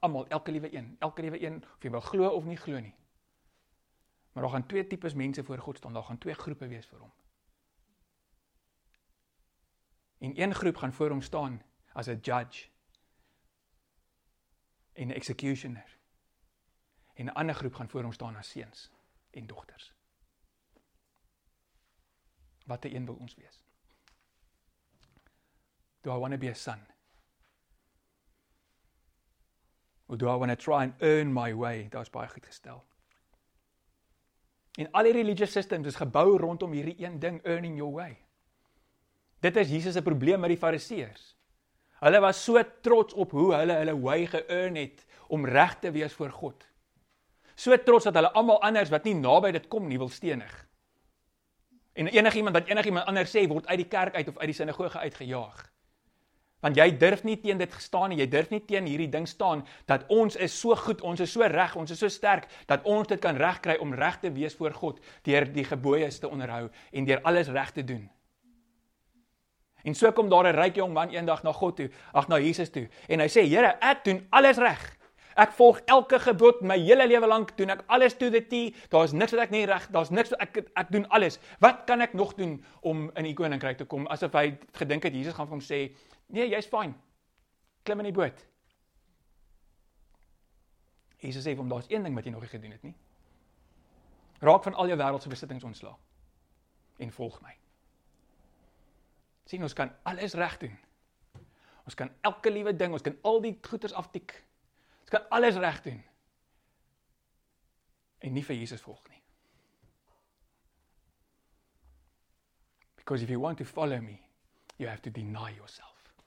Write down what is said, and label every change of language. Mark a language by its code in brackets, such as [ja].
[af] Almal, elke liewe een, of jy wil glo of nie glo nie. Maar daar gaan twee types mense voor God staan, daar gaan twee groepe wees vir hom. En een groep gaan voor hom staan as 'n judge en 'n executioner. En 'n ander groep gaan voor hom staan as seuns en dogters. Wat 'n een wil ons wees? [en] Do I want to be a son? Or do I want to try and earn my way? [af] Dit is baie goed gestel. En al die religious systems is gebou rondom hierdie een ding, earning your way. Dit is Jesus se probleem met die fariseërs. Hulle was so trots op hoe hulle hulle way geëarn het om reg te wees voor God. So trots dat hulle almal anders wat nie naby dit kom nie wil stenig. En enigiemand wat enigiemand anders sê word uit die kerk uit of uit die sinagoge uitgejaag. Want jy durf nie teen dit staan nie, jy durf nie teen hierdie ding staan, dat ons is so goed, ons is so reg, ons is so sterk, dat ons dit kan regkry om reg te wees voor God, deur die gebooie te onderhou, en deur alles reg te doen. En so kom daar 'n ryk jong man eendag na God toe, ag na Jesus toe, en hy sê, Here, ek doen alles reg, ek volg elke gebod my hele lewe lank, doen ek alles to the T, daar is niks wat ek nie reg, daar is niks, ek doen alles, wat kan ek nog doen om in die koninkryk te kom, asof hy gedink het, Jesus gaan vir hom sê, Nee, jy is fyn. Klim in die boot. Jesus sê, daar is een ding wat jy nog nie gedoen het nie. Raak van al jou wêreldse besittings ontslaa. En volg my. Sien, ons kan alles reg doen. Ons kan elke liewe ding, ons kan al die goeders aftik. Ons kan alles reg doen. En nie vir Jesus volg nie. [en] Because if you want to follow me, you have to deny yourself.